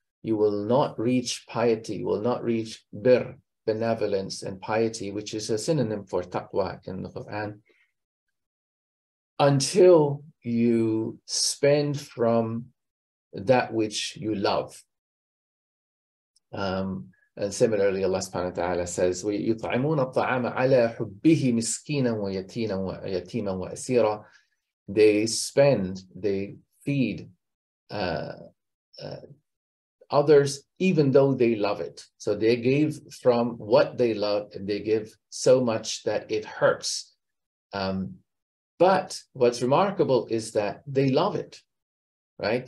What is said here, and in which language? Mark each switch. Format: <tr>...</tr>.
<en>You will not reach piety, you will not reach birr, benevolence and piety, which is a synonym for taqwa in the Quran, until you spend from that which you love. And similarly, Allah subhanahu wa ta'ala says,</en> <ar>وَيُطْعِمُونَ الطَّعَامَ عَلَى حُبِّهِ مِسْكِينًا وَيَتِيمًا وَيَتِيمًا وَأَسِيرًا.</ar> <en>They spend, they feed others, even though they love it. So they gave from what they love, and they give so much that it hurts. But what's remarkable is that they love it, right?</en>